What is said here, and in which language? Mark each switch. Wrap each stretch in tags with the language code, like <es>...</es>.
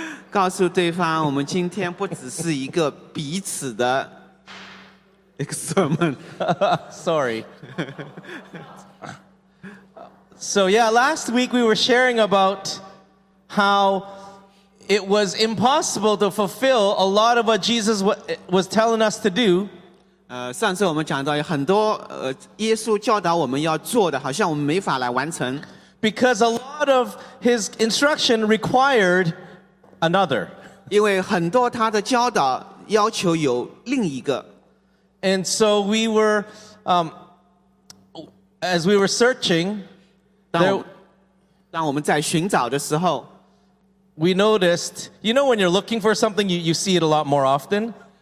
<zh>告诉对方我们今天不只是一个彼此的 sermon.</zh> <en>Sorry. So yeah, last week we were sharing about how it was impossible to fulfill a lot of what Jesus was telling us to do.</en> <zh>上次我们讲到有很多耶稣教导我们要做的，好像我们没法来完成。</zh> <en>Because a lot of his instruction required another.</en> <zh>因为很多他的教导要求有另一个。</zh> <en>And so we were, as we were searching,</en> <zh>当我们在寻找的时候,</zh> <en>we noticed, you know when you're looking for something, you see it a lot more often.</en>